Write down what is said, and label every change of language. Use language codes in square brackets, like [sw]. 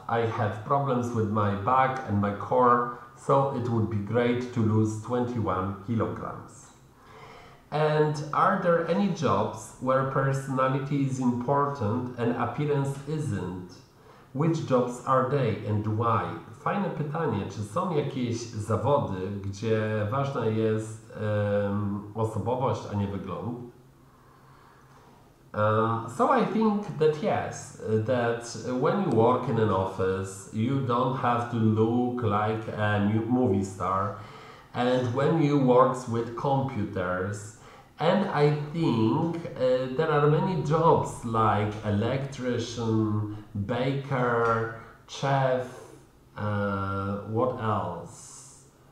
[en] I have problems with my back and my core. So it would be great to lose 21 kilograms. And are there any jobs where personality is important and appearance isn't? Which jobs are they and why? [pl] Fajne pytanie, czy są jakieś zawody, gdzie ważna jest osobowość, a nie wygląd? [en] So I think that yes, that when you work in an office, you don't have to look like a movie star. And when you work with computers, and I think there are many jobs like electrician, baker, chef, what else?